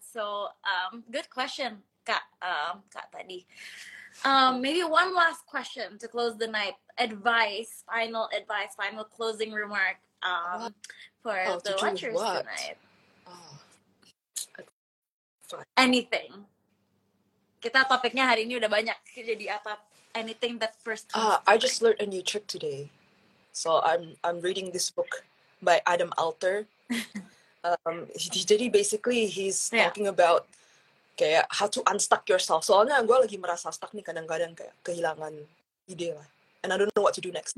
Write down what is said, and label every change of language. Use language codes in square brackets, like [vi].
[en] So, good question, Kak tadi. Maybe one last question to close the night. Advice, final closing remark for the watchers tonight. Anything. [id] Kita topiknya hari ini udah banyak, jadi apa? [en] Anything that first comes to mind. I just learned a new trick today. So I'm reading this book by Adam Alter. jadi basically he's talking about kayak how to unstuck yourself. [id] Soalnya gue lagi merasa stuck nih kadang-kadang, kayak kehilangan ide lah. [en] And I don't know what to do next.